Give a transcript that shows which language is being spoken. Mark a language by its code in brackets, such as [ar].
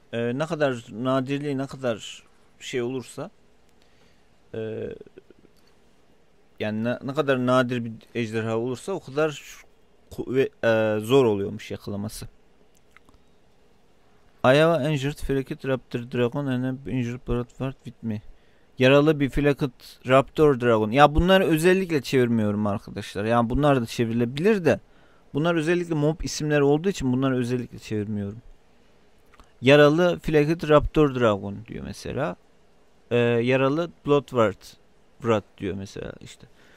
[tr] Ne kadar nadirliği ne kadar şey olursa yani ne kadar nadir bir ejderha olursa o kadar zor oluyormuş yakalaması. [en] I have injured Flaked Raptor Dragon and injured Bradford with me. [tr] Yaralı bir Flaked Raptor Dragon. Ya bunları özellikle çevirmiyorum arkadaşlar. Yani bunlar da çevrilebilir de bunlar özellikle mob isimleri olduğu için bunları özellikle çevirmiyorum. Yaralı Flaked Raptor Dragon diyor mesela. Yaralı Bloodward Brat diyor mesela işte.